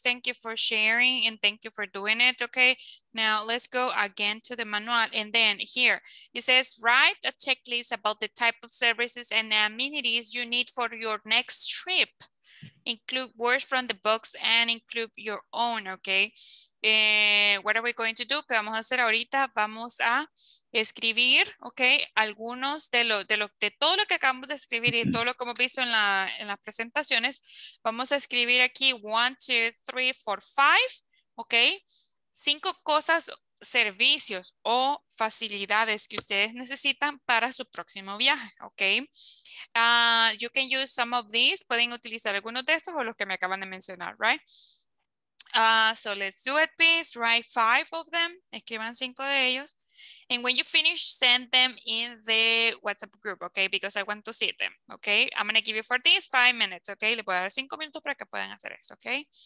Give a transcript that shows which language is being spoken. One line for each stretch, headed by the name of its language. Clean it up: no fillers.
English: Thank you for sharing and thank you for doing it. Okay. Now let's go again to the manual. And then here it says, write a checklist about the type of services and amenities you need for your next trip. Include words from the books and include your own. Okay. What are we going to do?
Spanish: ¿Qué vamos a hacer ahorita? Vamos a escribir, ok, algunos de todo lo que acabamos de escribir y todo lo que hemos visto en, en las presentaciones. Vamos a escribir aquí 1, 2, 3, 4, 5, ok, 5 cosas, servicios o facilidades que ustedes necesitan para su próximo viaje, ok.
English: You can use some of these,
Spanish: pueden utilizar algunos de estos o los que me acaban de mencionar, right?
English: So let's do it, please. Write 5 of them.
Spanish: Escriban 5 de ellos.
English: And when you finish, send them in the WhatsApp group, okay? Because I want to see them, okay? I'm going to give you for this 5 minutes, okay?
Spanish: Le voy a dar 5 minutos para que puedan hacer esto, okay?